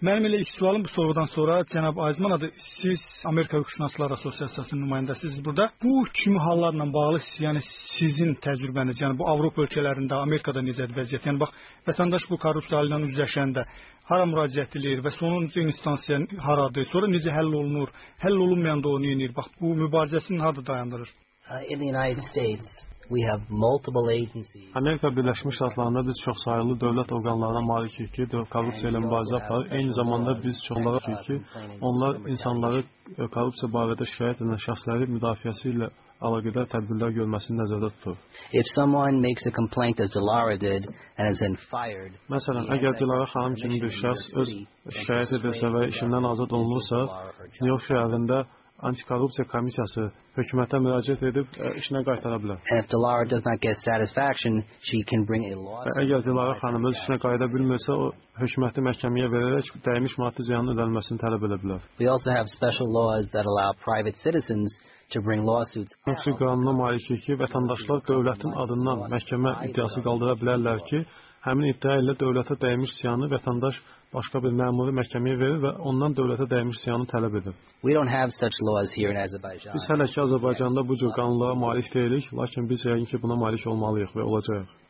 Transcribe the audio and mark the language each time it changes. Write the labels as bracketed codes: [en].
[az] Mənim elə ilk sualım bu sorudan sonra Cənab Aizman adı, siz Amerika Hüquqşünaslar Asosiasiyasının nümayəndəsiniz burada. Bu kimi hallarla bağlı bağlı yani sizin təcrübəniz, yani bu Avropa ölkələrində, Amerika'da necədir vəziyyət? Yani bax, vətəndaş bu korrupsiya ilə üzləşəndə hara müraciət edir və sonuncu instansiya haradır? Sonra necə həll olunur? Həll olunmayanda o nəyir? Bax, bu mübarizəsini harada dayandırır? [en] In the United States, we have multiple agencies. [az] Amerika Birləşmiş Ştatlarında biz çox sayılı dövlət orqanlarına malikik ki, korrupsiya ilə mübarizə aparır. Eyni zamanda biz çoxlara deyirik ki, onlar insanları korrupsiya barədə şikayət edən şəxsləri müdafiəsi ilə əlaqədar tədbirlər görməsini nəzərdə tutur. [en] If someone makes a complaint as Dilara did and is then fired. [az] Məsələn, əgər Dilara xanım kimi bir şəxs öz şikayət edərsə və işindən azad olunursa, New York şəhərində Antikorrupsiya komissiyası hökumətə müraciət edib işinə qaytara bilər. [en] If Dilara does not get satisfaction, she can bring a lawsuit. [az] Əgər Dilara xanım öz işinə qayıda bilmirsə, o hökuməti məhkəməyə verərək dəymiş maddi ziyanın ödənilməsini tələb edə bilər. [en] We also have special laws that allow private citizens to bring lawsuits. [az] Hökumət qanununa malikdir ki, vətəndaşlar dövlətin adından məhkəmə iddiası qaldıra bilərlər ki, həmin iddia ilə dövlətə dəymiş ziyanı vətəndaş başqa bir məmuri məhkəməyə verir və ondan dövlətə dəymiş ziyanı tələb edir. [en] We don't have such laws here in Azerbaijan. [az] Biz hələ ki Azərbaycanda bu cür qanunlara malik deyilik, lakin biz yəqin ki buna malik olmalıyıq və olacağıq.